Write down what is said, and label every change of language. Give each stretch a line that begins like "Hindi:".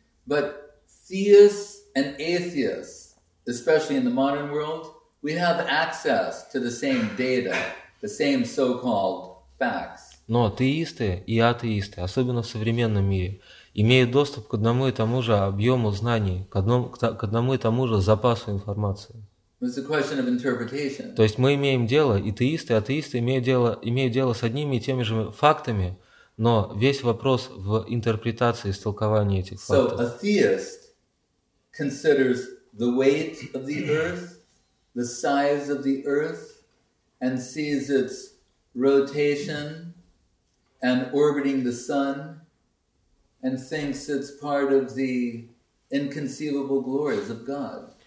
English: But theists and atheists, especially in the modern world, we have access to the same data, the same so-called facts.
Russian: Но атеисты и атеисты, особенно в современном мире, имеют доступ к одному и тому же объему знаний, к одному и тому же запасу информации.
English: It's a question of interpretation.
Russian: То есть мы имеем дело, и теисты, и атеисты имеют дело с одними и теми же фактами, но весь вопрос в интерпретации и истолковании этих фактов.
English: So a theist considers the weight of the earth, the size of the earth, and sees its rotation and orbiting the sun, and thinks it's part of the inconceivable glories of God.